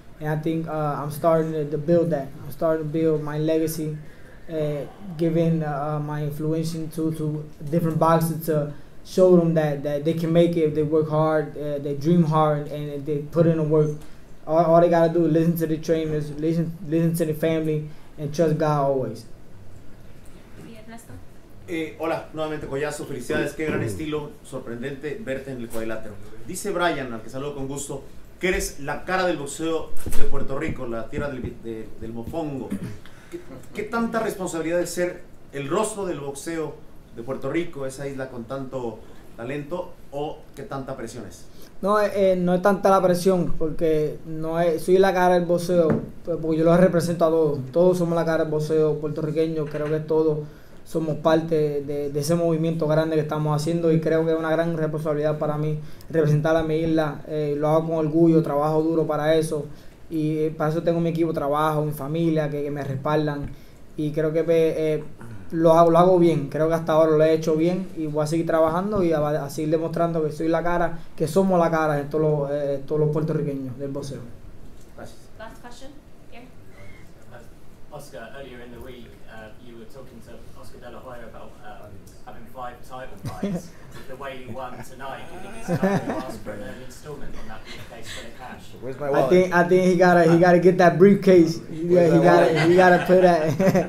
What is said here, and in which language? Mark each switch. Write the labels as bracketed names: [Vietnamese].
[English] And I think I'm starting to build that. I'm starting to build my legacy, giving my influence to different boxers to show them that they can make it if they work hard, they dream hard, and they put in the work. All they gotta do is listen to the trainers, listen to the family, and trust God always. [Spanish] Hola, nuevamente Collazo, felicidades, qué gran estilo, sorprendente verte en el cuadrilátero. Dice Brian, al que saludo con gusto, que eres la cara del boxeo de Puerto Rico, la tierra del mofongo. ¿Qué tanta responsabilidad es ser el rostro del boxeo de Puerto Rico, esa isla con tanto talento, o qué tanta presión es? No, no es tanta la presión, porque no es, soy la cara del boxeo, porque yo lo represento a todos, todos somos la cara del boxeo puertorriqueño, creo que todos somos parte de ese movimiento grande que estamos haciendo, y creo que es una gran responsabilidad para mí representar a mi isla. Lo hago con orgullo, trabajo duro para eso, y para eso tengo mi equipo de trabajo, mi familia que me respaldan, y creo que lo hago bien, creo que hasta ahora lo he hecho bien, y voy a seguir trabajando y a seguir demostrando que soy la cara, que somos la cara de todos los puertorriqueños del boxeo. Gracias. [English] Last question, here. Oscar, earlier in the week, you were talking to Oscar De La Hoya about having five title fights. The way you won tonight, you think it's time to ask for an installment on that briefcase for the cash. Where's my wallet? I think he gotta get that briefcase. He gotta put that.